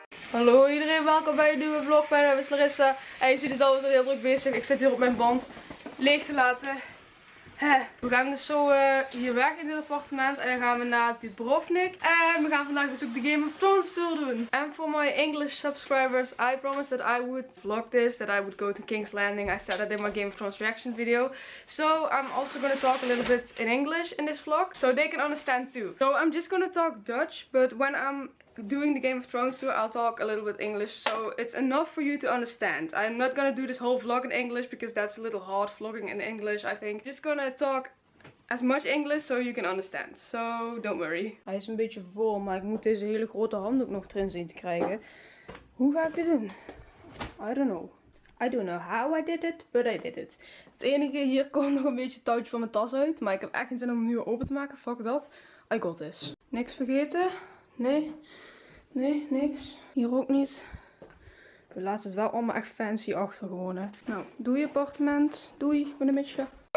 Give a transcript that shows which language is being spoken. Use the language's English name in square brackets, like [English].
[Dutch] Hallo iedereen, welkom bij een nieuwe vlog. Mijn naam is Larissa. En je ziet het al, we zijn heel druk bezig. Ik zit hier op mijn band leeg te laten. We gaan dus zo hier weg in dit appartement. En dan gaan we naar Dubrovnik. En we gaan vandaag dus ook de Game of Thrones tour doen. [English] And for my English subscribers, I promised that I would vlog this. That I would go to King's Landing. I said that in my Game of Thrones reaction video. So I'm also going to talk a little bit in English in this vlog. So they can understand too. So I'm just going to talk Dutch. But when I'm doing the Game of Thrones tour, I'll talk a little bit English. So it's enough for you to understand. I'm not going to do this whole vlog in English. Because that's a little hard vlogging in English, I think. Just going to talk as much English so you can understand. So don't worry. [Dutch] Hij is een beetje vol, maar ik moet deze hele grote handdoek nog erin zien te krijgen. Hoe ga ik dit doen? [English] I don't know. I don't know how I did it, but I did it. [Dutch] Het enige, hier kwam nog een beetje touwtje van mijn tas uit. Maar ik heb echt geen zin om hem nu weer open te maken. [English] Fuck dat. I got this. [Dutch] Niks vergeten. Nee, nee, niks. Hier ook niet. We laten het wel allemaal echt fancy achter gewoon, hè. Nou, doei appartement. Doei, goedemiddag.